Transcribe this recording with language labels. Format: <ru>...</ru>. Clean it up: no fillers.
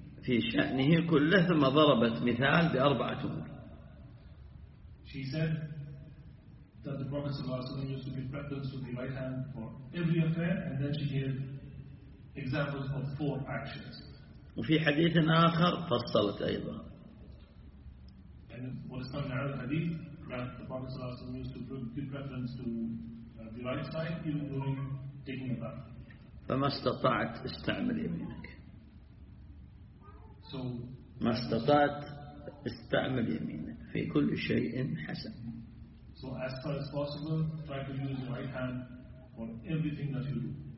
<ar>في شأنه كله ثم ضربت مثال بأربعة أمور.</ar> <en>She said that the Prophet</en> <ar>صلى الله عليه وسلم</ar> <en>used to give preference to the right hand for every affair, and then she gave examples of four actions.</en> <ar>وفي حديث آخر فصلت أيضا.</ar> <en>And what is coming out of the hadith that the Prophet</en> <ar>صلى الله عليه وسلم</ar> <en>used to give preference to the right side even during taking a bath.</en> <ar>فما استطعت استعمل يمينك.</ar> <en>So</en> <ar>ما استطعت استعمل يمينك في كل شيء حسن.</ar> <en>So as far as possible, try to use the right hand for everything that you do.</en>